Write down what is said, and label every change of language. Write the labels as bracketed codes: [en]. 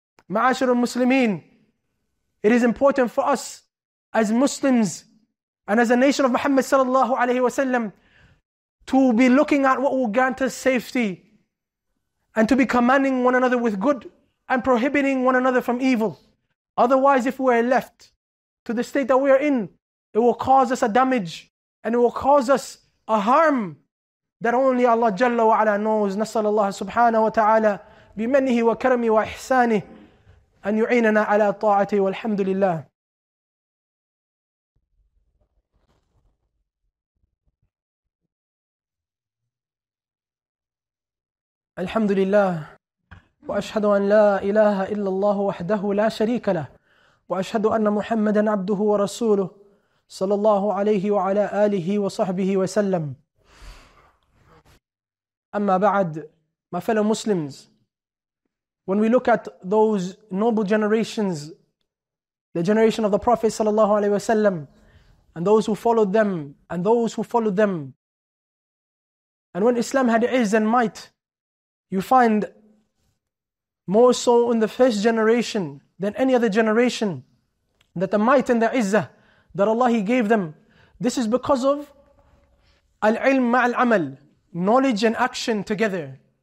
[en] Ma'ashir al-Muslimin, it is important for us as Muslims and as a nation of Muhammad sallallahu alayhi wa sallam to be looking at what will grant us safety and to be commanding one another with good and prohibiting one another from evil. Otherwise, if we are left to the state that we are in, it will cause us a damage and it will cause us a harm that only Allah Jalla wa Ala knows. [ar] Nasal Allah subhanahu wa ta'ala بمنه وكرمه وإحسانه أن يعيننا على طاعته والحمد لله. الحمد لله وأشهد أن لا إله إلا الله وحده لا شريك له وأشهد أن محمدا عبده ورسوله صلى الله عليه وعلى آله وصحبه وسلم. أما بعد, [en] my fellow Muslims, when we look at those noble generations, the generation of the Prophet sallallahu alaihi wasallam, and those who followed them, and those who followed them, and when Islam had izz and might, you find more so in the first generation than any other generation that the might and the izzah that Allah, He gave them, this is because of al-ilm ma'al amal, knowledge and action together.